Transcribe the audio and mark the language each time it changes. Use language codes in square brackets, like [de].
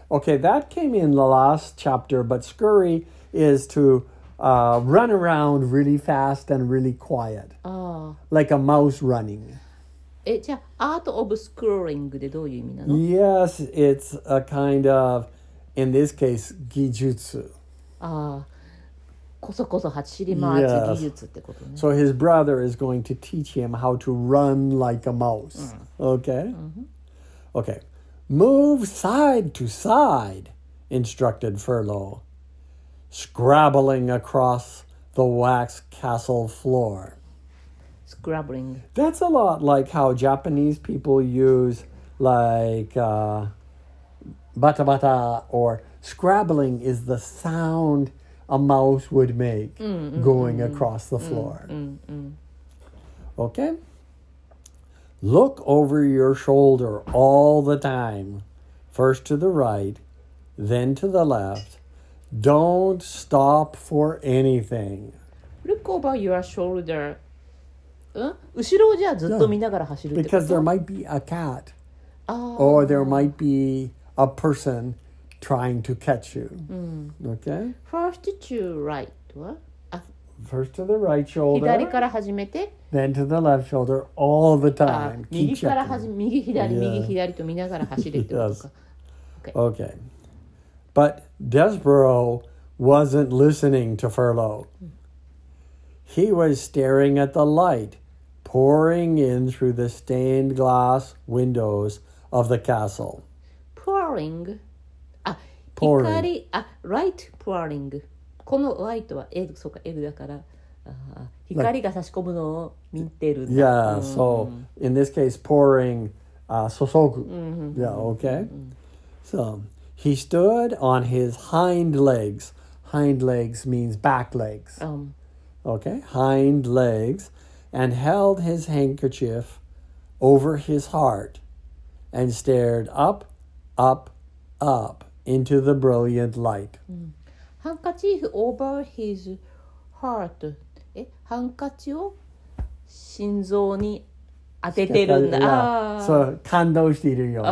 [en] Okay, that came in the last chapter, but scurry is to run around really fast and really quiet. Like a mouse running. Art of scurrying [ja] でどういう意味なの? [en] Yes, it's a kind of, in this case, 技術. [ja] こそこそ走り回る技術ってことね。 [en] Yes. So his brother is going to teach him how to run like a mouse. Okay? Okay. Move side to side, instructed Furlough, scrabbling across the wax castle floor. Scrabbling. That's a lot like how Japanese people use like bata bata, or scrabbling is the sound a mouse would make going across the floor. Okay. Look over your shoulder all the time. First to the right, then to the left. Don't stop for anything. Look over your shoulder. [ja] 後ろをじゃあずっと見ながら走るってこと? [en] Because there might be a cat. Or there might be a person trying to catch you. Okay? First to right. First to the right shoulder. [ja] 左から始めて。 [en] Then to the left shoulder all the time. [ja] 右から始め、右左、右左と見ながら走るってことか。 [en] Yes. Okay. Okay. But Despereaux wasn't listening to Furlough. He was staring at the light pouring in through the stained glass windows of the castle. Pouring? Pouring. 光、light pouring. [ja] このライトは L、そうか L だから、光が差し込むのを見てるんだ。 [en] Yeah, so in this case, pouring, 注ぐ。Yeah, okay. So he stood on his hind legs. Hind legs means back legs. Okay, hind legs, and held his handkerchief over his heart, and stared up, up, up into the brilliant light. ハンカチーフ over his heart. [ja] ハンカチを心臓に当ててるんだ。そう、感動しているような。